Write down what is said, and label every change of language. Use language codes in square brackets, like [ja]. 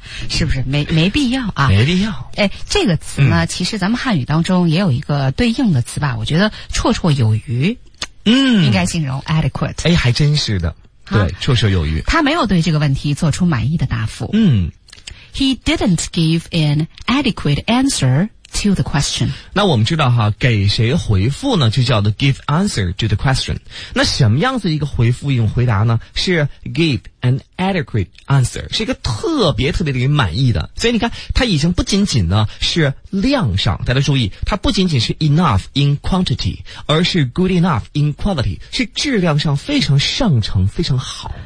[zh] 是不是没必要啊？没必要。哎，这个词呢、嗯，其实咱们汉语当中也有一个对应的词吧？我觉得绰绰有余，嗯，应该形容 adequate。哎，还真是的，对，绰绰有余。他没有对这个问题做出满意的答复。嗯 [en] ，He didn't give an adequate answer to the question。 [zh] 那我们知道哈，给谁回复呢？就叫做 [en] give answer to the question。 [zh] 那什么样子一个回复一种回答呢？是 [en] give an adequate answer， [zh] 是一个特别特别令人满意的。所以你看，它已经不仅仅呢是量上，大家注意，它不仅仅是 [en] enough in quantity， [zh] 而是 [en] good enough in quality， [zh] 是质量上非常上乘，非常好。